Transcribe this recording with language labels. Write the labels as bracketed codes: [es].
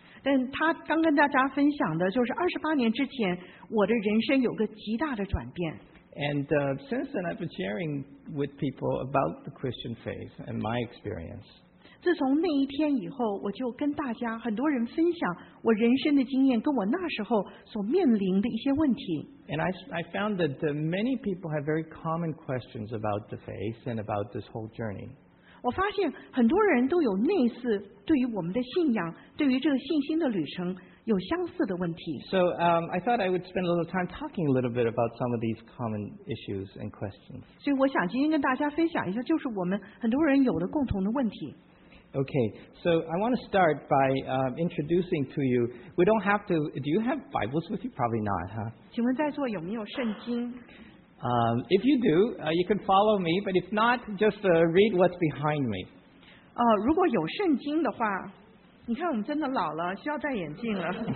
[zh] 但他刚跟大家分享的就是28年之前，我的人生有个极大的转变。 [en] And since then, I've been sharing with people about the Christian faith and my experience. [zh] 自从那一天以后，我就跟大家很多人分享我人生的经验，跟我那时候所面临的一些问题。 [en] And I found that many people have very common questions about the faith and about this whole journey. [zh] 我发现很多人都有类似对于我们的信仰，对于这个信心的旅程有相似的问题。 [en] So I thought I would spend a little time talking a little bit about some of these common issues and questions. [zh] 所以我想今天跟大家分享一下，就是我们很多人有的共同的问题。 [en] Okay, so I want to start by introducing to you, we don't have to, do you have Bibles with you? Probably not, huh? [zh] 请问在座有没有圣经? [en] If you do, you can follow me, but if not, just read what's behind me. [zh] 如果有圣经的话,你看我们真的老了,需要戴眼镜了。